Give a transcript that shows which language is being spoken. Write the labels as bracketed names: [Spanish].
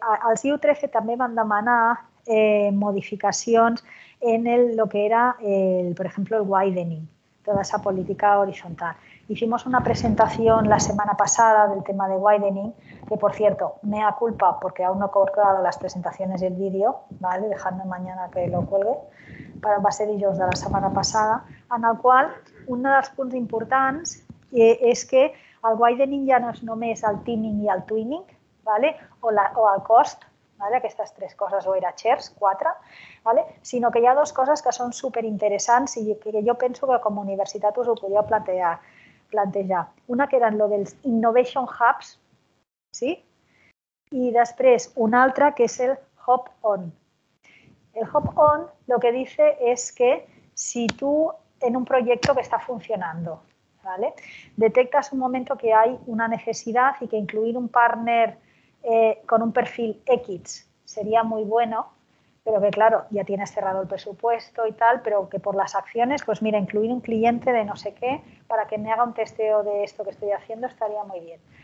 [Catalan] Els IUTF també van demanar modificacions en lo que era, per exemple, el widening, tota aquesta política horitzontal. [Spanish] Hicimos una presentación la semana pasada del tema de widening, que por cierto, mea culpa porque aún no he colgado las presentaciones y el vídeo, ¿vale? Dejadme mañana que lo cuelgue, pero va a ser dijous de la semana pasada, en el cual [Catalan] un dels punts importants és que el widening ja no és només el teaming i el twinning, [Spanish] ¿vale? [Catalan] O el cost, ¿vale? Aquestes tres coses, o era shares, quatre, ¿vale? Sinó que hi ha dues coses que són superinteressants i que jo penso que com a universitat us ho podíeu plantejar. Una que eren lo dels Innovation Hubs, sí? I després una altra que és el Hop On. [Spanish] El Hop On lo que dice es que si tú en un proyecto que está funcionando, ¿vale? Detectas un momento que hay una necesidad y que incluir un partner con un perfil X sería muy bueno, pero que claro, ya tienes cerrado el presupuesto y tal, pero que por las acciones, pues mira, incluir un cliente de no sé qué para que me haga un testeo de esto que estoy haciendo estaría muy bien.